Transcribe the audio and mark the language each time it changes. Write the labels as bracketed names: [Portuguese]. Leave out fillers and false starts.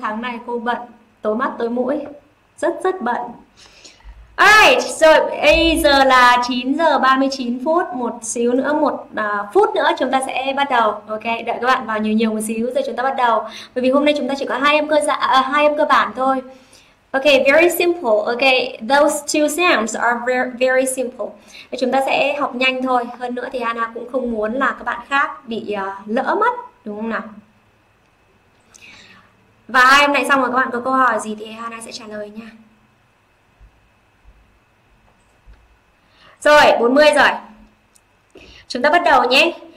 [Vietnamese] Tháng này cô bận, tối mắt tối mũi, rất rất bận. Rồi, bây giờ là 9:39, một xíu nữa, một phút nữa chúng ta sẽ bắt đầu. Ok, đợi các bạn vào nhiều nhiều một xíu rồi chúng ta bắt đầu. Bởi vì hôm nay chúng ta chỉ có hai âm cơ bản thôi. [English] Ok, very simple. Ok, those two sounds are very, very simple. [Vietnamese] Chúng ta sẽ học nhanh thôi. Hơn nữa thì Anna cũng không muốn là các bạn khác bị lỡ mất, đúng không nào? Và hai hôm nay xong rồi các bạn có câu hỏi gì thì Hana sẽ trả lời nha. Rồi, 40 rồi. Chúng ta bắt đầu nhé.